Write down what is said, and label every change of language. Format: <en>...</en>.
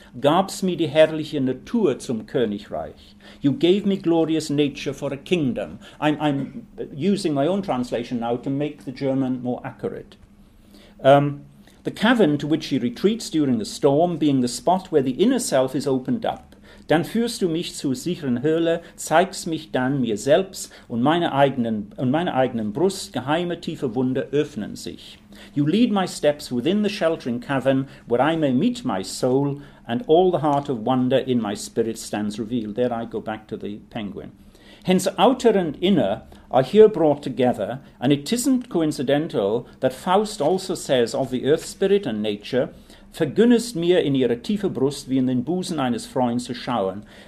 <de>Gab's mir die herrliche Natur zum Königreich.</de> <en>You gave me glorious nature for a kingdom. I'm using my own translation now to make the German more accurate. The cavern to which he retreats during the storm being the spot where the inner self is opened up,</en> <de>Dann führst du mich zur sicheren Höhle, zeigst mich dann mir selbst und meiner eigenen Brust, geheime tiefe Wunder öffnen sich.</de> <en>You lead my steps within the sheltering cavern, where I may meet my soul, and all the heart of wonder in my spirit stands revealed. There I go back to the penguin. Hence outer and inner are here brought together, and it isn't coincidental that Faust also says of the earth spirit and nature,</en> <de>vergönnest mir in ihre tiefe Brust wie in den Busen eines Freundes zu schauen.</de>